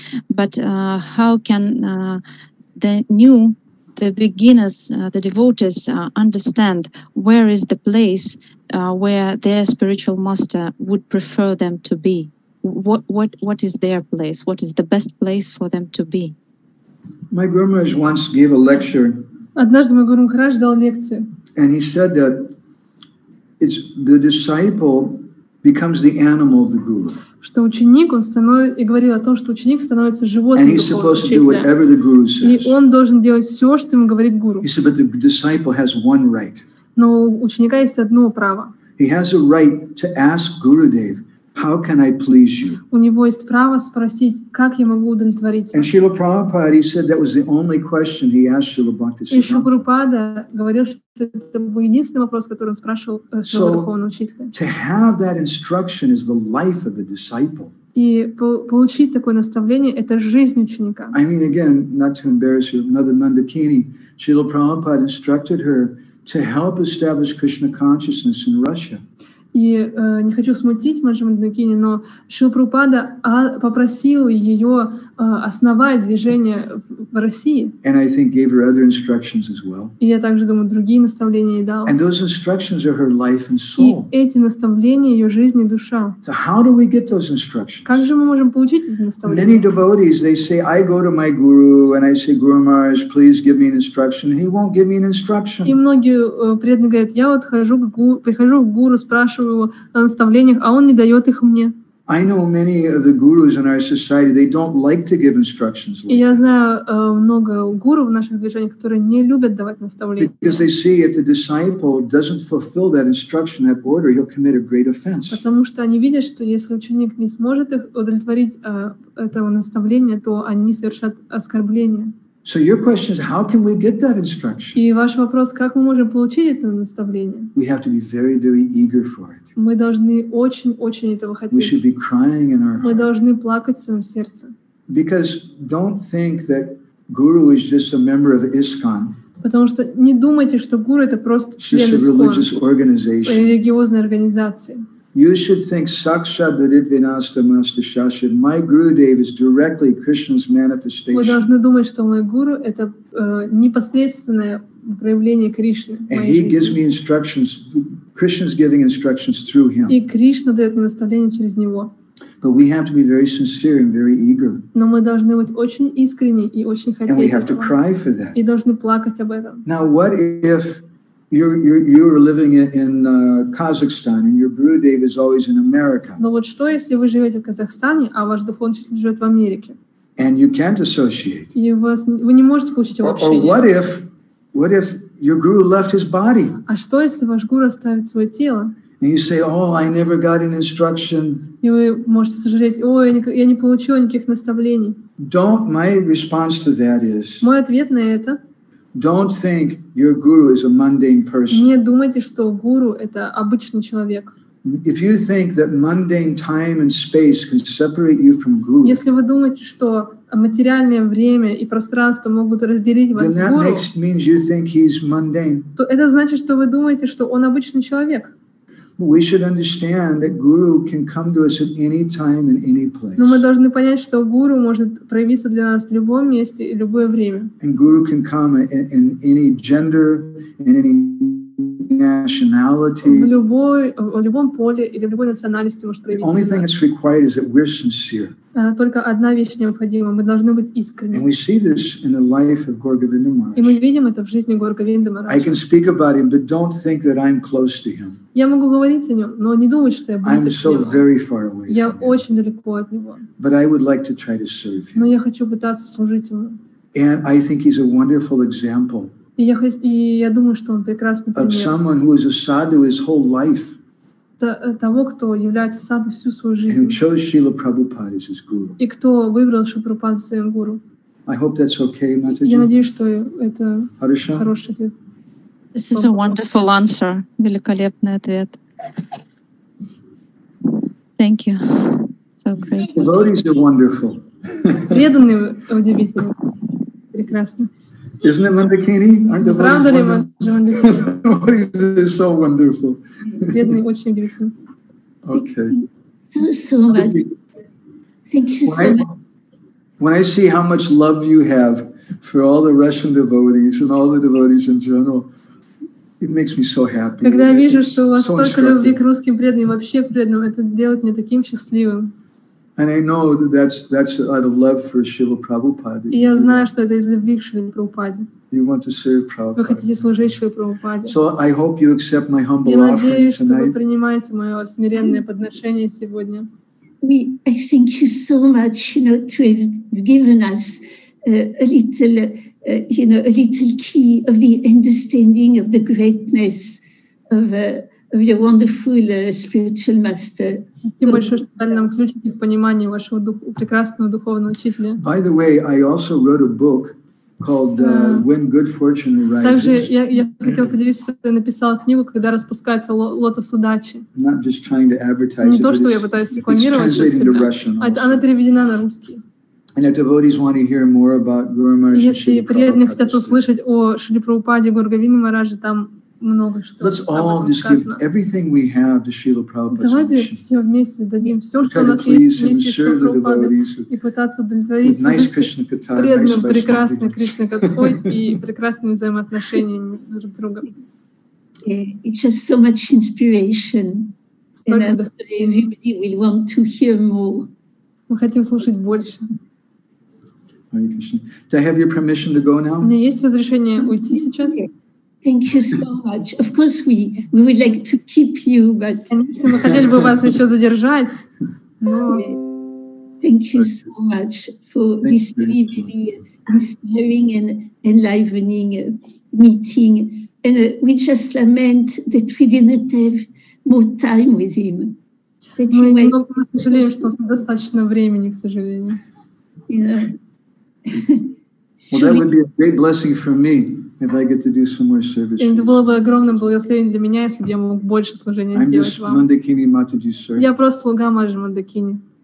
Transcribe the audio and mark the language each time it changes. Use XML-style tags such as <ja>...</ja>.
<en>But how can the devotees understand where is the place where their spiritual master would prefer them to be? What is their place? What is the best place for them to be? My Guru Maharaj once gave a lecture.</en> <ru>Однажды мой Гуру Махарадж дал лекцию.</ru> <en>And he said that it's the disciple becomes the animal of the guru.</en> <ru>Что ученик он становится и говорил о том, что ученик становится животным.</ru> <en>And he's supposed to do whatever the guru says.</en> <ru>И он должен делать все, что ему говорит гуру.</ru> <en>He said, but the disciple has one right.</en> <ru>Но у ученика есть одно право.</ru> <en>He has a right to ask Gurudev, how can I please you?</en> <ru>У него есть право спросить, как я могу удовлетворить вас.</ru> <en>And Srila Prabhupada, he said that was the only question he asked Srila Bhaktisiddhanta.</en> <ru>И Шрила Прабхупада говорил, что это был единственный вопрос, который он спрашивал своего духовного учителя.</ru> <en>To have that instruction is the life of the disciple.</en> <ru>И получить такое наставление – это жизнь ученика.</ru> <en>I mean, again, not to embarrass you, Mother Mandakini, Srila Prabhupada instructed her to help establish Krishna consciousness in Russia.</en> <ru>И не хочу смутить Маджа Мандакини, но Шрила Прабхупада попросил ее основать движение в России.</ru> <en>And I think gave her other instructions as well.</en> <ru>И я также думаю, другие наставления ей дал.</ru> <en>And those instructions are her life and soul.</en> <ru>И эти наставления ее жизнь и душа.</ru> <en>So how do we get those instructions?</en> <ru>Как же мы можем получить эти наставления?</ru> <en>Many devotees, they say, I go to my guru and I say, Guru Maharaj, please give me an instruction. He won't give me an instruction.</en> <ru>И многие преданные говорят, я вот прихожу к гуру, спрашиваю о наставлениях, а он не дает их мне.</ru> <en>I know many of the gurus in our society, they don't like to give instructions.</en> <ru>И я знаю много гуру в наших движениях, которые не любят давать наставления.</ru> <en>Because they see if the disciple doesn't fulfill that instruction, that order, he'll commit a great offense.</en> <ru>Потому что они видят, что если ученик не сможет их удовлетворить этого наставления, то они совершат оскорбление.</ru> <en>So your question is, how can we get that instruction?</en> <ru>И ваш вопрос, как мы можем получить это наставление?</ru> <en>We have to be very, very eager for it.</en> <ru>Мы должны очень-очень этого хотеть.</ru> <en>We should be crying in our heart.</en> <ru>Мы должны плакать в своем сердце.</ru> <en>Because don't think that guru is just a member of ISKCON.</en> <ru>Потому что не думайте, что гуру это просто член ISKCON.</ru> <en>It's a religious organization.</en> <ru>Религиозная организация.</ru> <en>You should think Sakshat Dadivinasta Master Shashad. My Gurudev is directly Krishna's manifestation.</en> <ru>Вы должны думать, что мой гуру это непосредственное проявление Кришны.</ru> <en>And he gives me instructions. Krishna's giving instructions through him.</en> <ru>И Кришна дает мне наставление через него.</ru> <en>But we have to be very sincere and very eager.</en> <ru>Но мы должны быть очень искренни и очень хотеть.</ru> <en>And we have to cry for that.</en> <ru>И должны плакать об этом.</ru> <en>Now what if you're living in Kazakhstan and your Gurudev is always in America.</en> <ru>Но вот что, если вы живете в Казахстане, а ваш духовный учитель живет в Америке?</ru> <en>And you can't associate.</en> <ru>И вы не можете получить его общение.</ru> <en>Or what if your guru left his body?</en> <ru>А что, если ваш гуру оставит свое тело?</ru> <en>And you say, "Oh, I never got an instruction."</en> <ru>И вы можете сожалеть: "Ой, я не получил никаких наставлений."</ru> <en>Don't. My response to that is.</en> <ru>Мой ответ на это.</ru> <en>Don't think your guru is a mundane person.</en> <ru>Не думайте, что гуру это обычный человек.</ru> <en>If you think that mundane time and space can separate you from guru.</en> <ru>Если вы думаете, что материальное время и пространство могут разделить вас</ru> <en>then</en> <ru>с гуру.</ru> <en>That makes, means you think he's mundane.</en> <ru>То это значит, что вы думаете, что он обычный человек.</ru> <en>We should understand that guru can come to us at any time and any place.</en> <ru>Но мы должны понять, что гуру может проявиться для нас в любом месте и любое время.</ru> <en>And guru can come in any gender, in any nationality.</en> <ru>В любом поле или в любой национальности может проявиться.</ru> <en>The only thing that's required is that we're sincere.</en> <ru>Только одна вещь необходима: мы должны быть искренними.</ru> <en>And we see this in the life of Gorgovinda Maharaj.</en> <ru>И мы видим это в жизни Горговинды Махараджа.</ru> <en>I can speak about him, but don't think that I'm close to him.</en> <ru>Я могу говорить о нем, но не думать, что я близок</ru> <en>so</en> <ru>к нему. Я очень далеко от него.</ru> <en>But I would like to try to serve him.</en> <ru>Но я хочу пытаться служить ему.</ru> <en>And I think he's a wonderful example.</en> <ru>И я думаю, что он прекрасный пример.</ru> <en>Of someone who is a sadhu his whole life.</en> <ru>Того, кто является саду всю свою жизнь.</ru> <en>And chose Srila Prabhupada as his guru.</en> <ru>И кто выбрал Шрилу Прабхупаду своим гуру.</ru> <en>I hope that's okay, Mataji.</en> <ru>Я надеюсь, что это Хорошо. Хороший ответ.</ru> <en>This is a wonderful answer.</en> <ru>Великолепный ответ.</ru> <en>Thank you. So great. Devotees are wonderful.</en> <ru>Преданные удивительные. Прекрасно.</ru> <en>Isn't it Mandakini? Aren't devotees wonderful? Devotees are so wonderful.</en> <ru>Преданные очень удивительные.</ru> <en>Okay. So thank you so much. When I see how much love you have for all the Russian devotees and all the devotees in general, it makes me so happy.</en> <ru>Когда я вижу, что у вас столько любви к русским преданным, вообще к преданным, это делает меня таким счастливым.</ru> <en>And I know that that's out of love for Srila Prabhupada.</en> <ru>И я знаю, что это из любви к Шриле Прабхупаде.</ru> <en>You want to serve Prabhupada.</en> <ru>Вы хотите служить Шриле Прабхупаде.</ru> <en>So I hope you accept my humble offering tonight.</en> <ru>Я надеюсь, что вы принимаете мое смиренное подношение сегодня.</ru> <en>I thank you so much, you know, to have given us a little. You know, a little key of the understanding of the greatness of your wonderful spiritual master.</en> <ru>Тем больше, что дали нам ключ к пониманию вашего прекрасного духовного учителя.</ru> <en>By the way, I also wrote a book called When Good Fortune Arises.</en> <ru>Также я хотел поделиться, что я написала книгу, когда распускается лотос удачи.</ru> <en>Not just trying to advertise.</en> <ru>Не то, что я пытаюсь рекламировать для себя. Она переведена на русский.</ru> <en>And if devotees want to hear more about Guru Maharaj,</en> <ru>если преданные хотят услышать о Шриле Прабхупаде, Горговинде Махараджи, там много что.</ru> <en>Let's all just give everything we have to Srila Prabhupada.</en> <ru>Давайте все вместе дадим все, что у нас есть, вместе Шриле Прабхупаде, и пытаться удовлетворить преданным прекрасной Кришна Катхой и прекрасными взаимоотношениями друг с другом.</ru> <en>It's just so much inspiration, and everybody will want to hear more.</en> <ru>Мы хотим слушать больше.</ru> <en>Hare Krishna. Do I have your permission to go now?</en> <ru>У меня есть разрешение уйти сейчас?</ru> <en>Thank you so much. Of course, we would like to keep you, but</en> <ru>мы хотели бы вас еще задержать.</ru> <en>Thank you so much for this very inspiring and enlivening meeting, and we just lament that we didn't have more time with him.</en> <ru>Мы немного жалеем, что достаточно времени, к сожалению.</ru> <en>Well, that would be a great blessing for me if I get to do some more service.</en> <ru>Это было бы огромным благословением для меня, если бы я мог больше служения сделать вам.</ru> <en>I'm just Mandakini Mataji's servant.</en> <ru>Я просто слуга Маджи Мандакини.</ru>